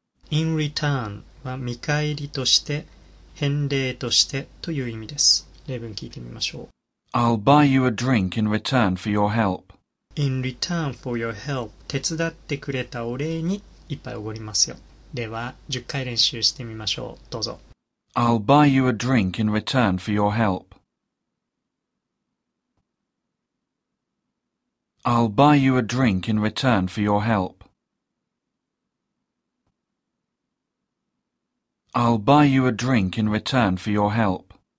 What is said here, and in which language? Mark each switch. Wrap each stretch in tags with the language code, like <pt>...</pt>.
<ja>In return は見返りとして、返礼としてという意味です。例文聞いてみましょう。</ja> <en>I'll buy you a drink in return for your help. In return for your help,</en> <ja>手伝ってくれたお礼にいっぱいおごりますよ。では、10回練習してみましょう。どうぞ。</ja> <en>I'll buy you a drink in return for your help. I'll buy you a drink in return for your help. I'll buy you a drink in return for your help.</en>